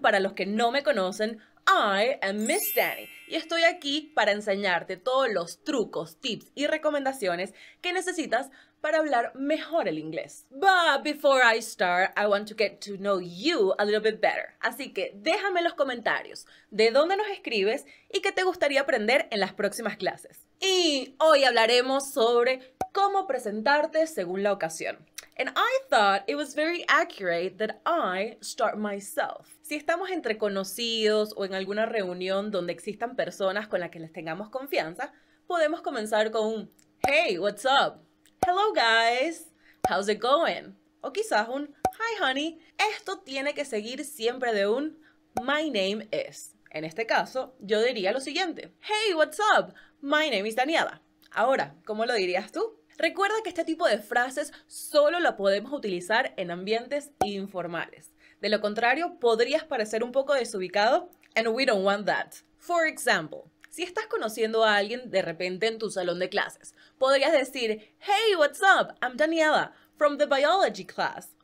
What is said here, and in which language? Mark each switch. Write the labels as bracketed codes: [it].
[es] Para los que no me conocen, [en] I am Miss Danny [es] y estoy aquí para enseñarte todos los trucos, tips y recomendaciones que necesitas para hablar mejor el inglés. [en] But before I start, I want to get to know you a little bit better. [es] Así que déjame en los comentarios de dónde nos escribes y qué te gustaría aprender en las próximas clases. Y hoy hablaremos sobre cómo presentarte según la ocasión. [en] And I thought it was very accurate that I start myself. [es] Si estamos entre conocidos o en alguna reunión donde existan personas con las que les tengamos confianza, podemos comenzar con un [en] hey, what's up? Hello guys, how's it going? [es] O quizás un [en] hi honey. [es] Esto tiene que seguir siempre de un [en] my name is. [es] En este caso, yo diría lo siguiente. [en] Hey, what's up? My name is Daniela. [es] Ahora, ¿cómo lo dirías tú? Recuerda que este tipo de frases solo la podemos utilizar en ambientes informales. De lo contrario, podrías parecer un poco desubicado. [en] And we don't want that. For example, [es] si estás conociendo a alguien de repente en tu salón de clases, podrías decir, [en] hey, what's up? I'm Daniela, from the biology class.